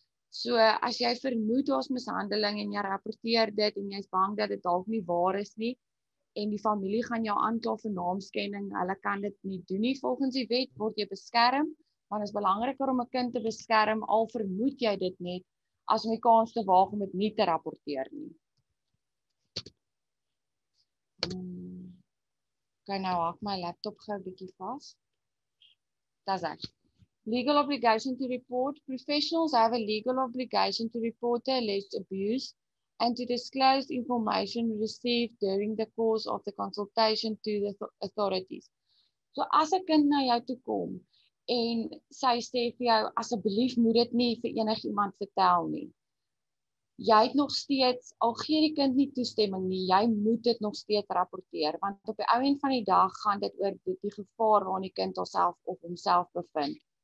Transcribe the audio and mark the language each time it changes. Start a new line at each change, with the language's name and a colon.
Afrikaans: So as jy vermoed daar's mishandeling en jy rapporteer dit en jy's bang dat dit dalk nie waar is nie, en die familie gaan jou aankla vir naamskending, hulle kan dit nie doen nie volgens die wet, word jy beskerm, want is belangriker om 'n kind te beskerm, al vermoed jy dit net, as om die kans te waag om dit nie te rapporteer nie. Kan nou haak my laptop gou 'n bietjie vas.
English: That's that. Legal obligation to report. Professionals have a legal obligation to report the alleged abuse and to disclose information received during the course of the consultation to the authorities.
Afrikaans: So as a kind na jou toe kom en sy sê vir jou, asseblief moet dit nie vir enig iemand vertel nie. Jy het nog steeds, al gee die kind nie toestemming nie, jy moet dit nog steeds rapporteer, want op die ou end van die dag gaan dit oor die gevaar waarin die kind homself of homself bevind.